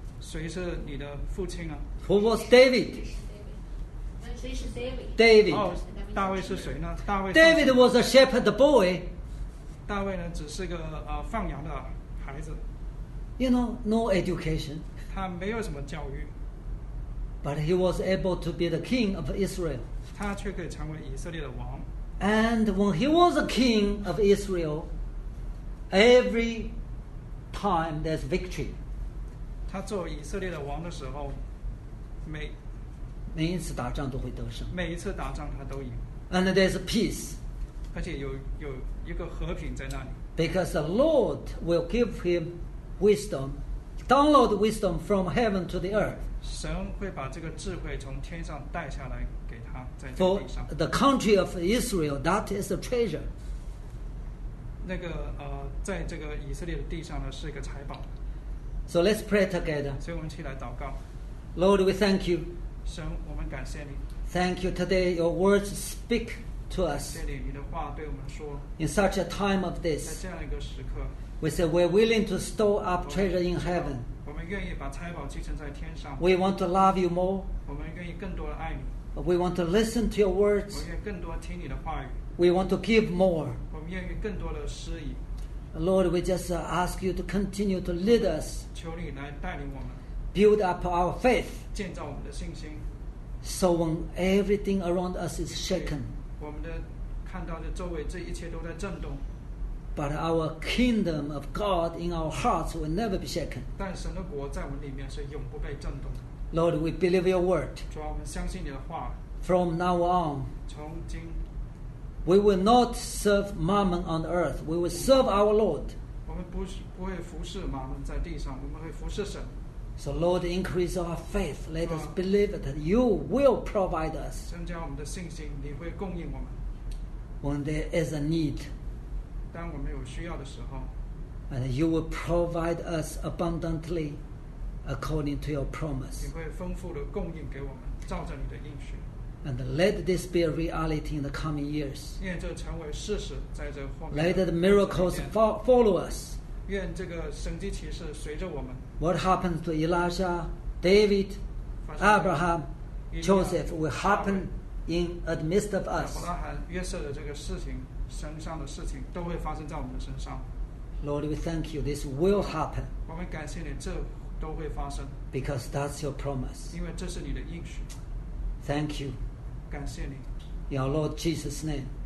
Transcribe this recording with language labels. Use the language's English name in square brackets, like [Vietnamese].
[Chinese] 谁是你的父亲啊？ [English] Who was David? [Chinese] 谁是 David? [English] David. [Chinese] 大卫是谁呢？ [English] David was a shepherd boy. [Chinese] 大卫呢，只是个放羊的孩子。 [English] You know, no education. [Chinese] 他没有什么教育。 [English] But he was able to be the king of Israel. [Chinese] 他却可以成为以色列的王。 [English] And when he was a king of Israel, every time there's victory. [Chinese] 他做以色列的王的时候，每一次打仗都会得胜。每一次打仗他都赢。 [English] And there's peace. [Chinese] 而且有一个和平在那里。 [English] Because the Lord will give him wisdom, download wisdom from heaven to the earth. [Chinese] 神会把这个智慧从天上带下来给他，在这地上。 [English] For the country of Israel, that is a treasure. [Chinese] 那个在这个以色列的地上呢，是一个财宝。 [English] So let's pray together. [Chinese] 所以我们一起来祷告。 [English] Lord, we thank you. [Chinese] 神，我们感谢你。 [English] Thank you today, your words speak to us. [Chinese] 谢谢你的话对我们说。 [English] In such a time of this, [Chinese] 在这样一个时刻， [English] we say we're willing to store up treasure in heaven. [Chinese] 我们愿意把财宝积存在天上。 [English] We want to love you more. [Chinese] 我们愿意更多的爱你。 [English] We want to listen to your words. [Chinese] 我愿意更多听你的话语。 [English] We want to give more. [Chinese] 我们愿意更多的施以。 [English] Lord, we just ask you to continue to lead us. [Chinese] 求你来带领我们。 [English] Build up our faith. [Chinese] 建造我们的信心。 [English] So when everything around us is shaken, [Chinese] 我们的看到的周围这一切都在震动。 [English] But our kingdom of God in our hearts will never be shaken. [Chinese] 但神的国在我们里面是永不被震动的。 [English] Lord, we believe your word. [Chinese] 主啊，我们相信你的话。 [English] From now on, [Chinese] 从今 [English] we will not serve mammon on earth. We will serve our Lord. [Chinese] 我们不会服侍mammon在地上，我们会服侍神。 [English] So Lord, increase our faith. Let us believe that you will provide us. [Chinese] 增加我们的信心，你会供应我们。 [English] When there is a need, [Chinese] 当我们有需要的时候， [English] and you will provide us abundantly, according to your promise. [Chinese] 你会丰富的供应给我们，照着你的应许。 [English] And let this be a reality in the coming years. [Chinese] 愿这成为事实，在这后面。 [English] Let the miracles follow us. [Chinese] 愿这个神迹奇事随着我们。 [English] What happened to Elijah, David, Abraham? Joseph will happen in the midst of us. [Chinese] 亚伯拉罕、约瑟的这个事情、身上的事情，都会发生在我们的身上。 [English] Lord, we thank you. This will happen. [Chinese] 我们感谢你，这都会发生。 [English] Because that's your promise. [Chinese] 因为这是你的应许。 [English] Thank you. [Chinese] 感谢你。 [English] In our Lord Jesus' name.